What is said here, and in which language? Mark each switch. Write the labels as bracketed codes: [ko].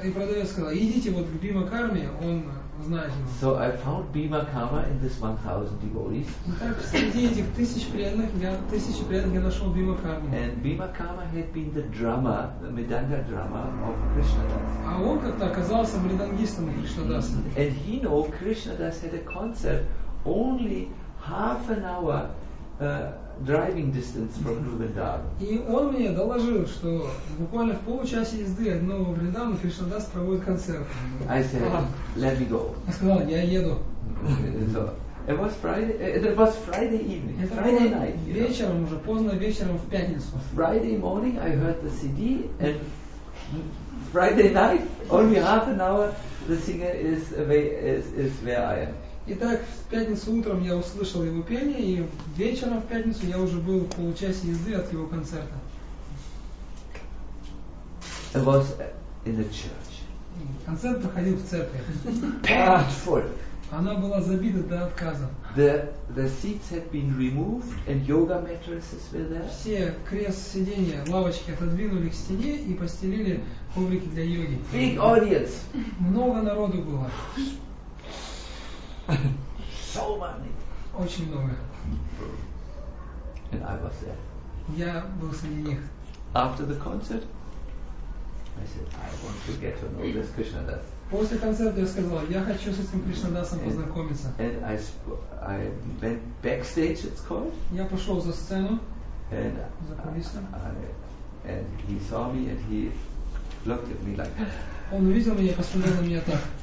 [ru] и продавец сказал, идите вот к Бима Карме, он знает его. [en] So I found Bhima Kama in this 1,000 devotees. [ru] Так среди этих тысяч преданных я нашел Бима Карму. [en] And Bhima Kama had been the drummer, the Mridanga drummer of Krishna Das. [ru] А он как-то оказался мридангистом Кришна Даса. [en] And he knew Krishna Das had a concert only half an hour. Driving distance from Vrindavan. [ru] И он мне доложил, что буквально в получасе езды от Нового Вриндавана Кришна Дас проводит концерт. [en] I said, let me go. [ru] Я сказал, я еду. [en] So, it was Friday evening. [ru] Это [en] Friday night. [ru] Вечером, [en] know? [ru] Уже поздно вечером в пятницу. [en] Friday morning I heard the CD and Friday night only half an hour the singer is away, is where I am. [ru] Итак, в пятницу утром я услышал его пение, и вечером в пятницу я уже был в получасе езды от его концерта. [en] It was in the church. [ru] Концерт проходил в церкви. [en] Packed full. [ru] Она была забита до отказа. [en] The seats had been removed and yoga mattresses were there. [ru] Все крест сидения, лавочки отодвинули к стене и постелили коврики для йоги. [en] Big audience. [ru] Много народу было. [en] So many. [ru] Очень много. [en] And I was there. [ru] Я был среди них. [en] After the concert, I said, I want to get to know this Krishna Das. [ru] После концерта я сказал, я хочу с этим Кришна Дасом познакомиться. [en] And I went backstage, it's called. [ru] Я пошел за сцену. [en] And [ru] за кулисы. [en] And he saw me and he looked at me like. [ru] Он увидел меня, посмотрел на меня так.